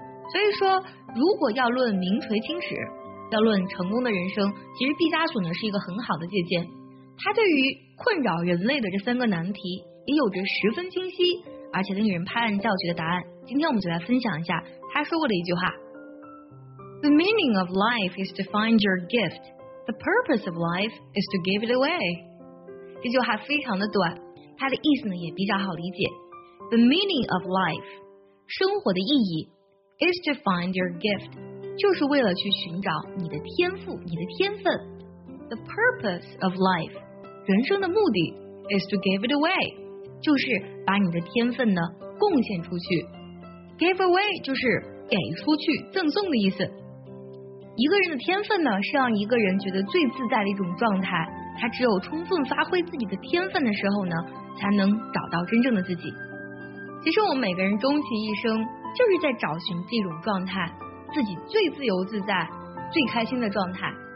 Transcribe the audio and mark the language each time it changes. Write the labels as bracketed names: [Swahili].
[Chinese] 所以说，如果要论名垂青史，要论成功的人生，其实毕加索呢，是一个很好的借鉴。他对于困扰人类的这三个难题，也有着十分清晰，而且令人拍案叫绝的答案。今天我们就来分享一下他说过的一句话。 [English] The meaning of life is to find your gift. The purpose of life is to give it away. [Chinese] 这句话非常的短，它的意思呢也比较好理解。 [English] The meaning of life, [Chinese] 生活的意义 [English] is to find your gift, [Chinese] 就是为了去寻找你的天赋，你的天分。 [English] The purpose of life, [Chinese] 人生的目的 [English] is to give it away, [Chinese] 就是把你的天分呢贡献出去。 Give away 就是给出去，赠送的意思。一个人的天分呢，是让一个人觉得最自在的一种状态。他只有充分发挥自己的天分的时候呢，才能找到真正的自己。其实我们每个人终其一生，就是在找寻这种状态，自己最自由自在、最开心的状态。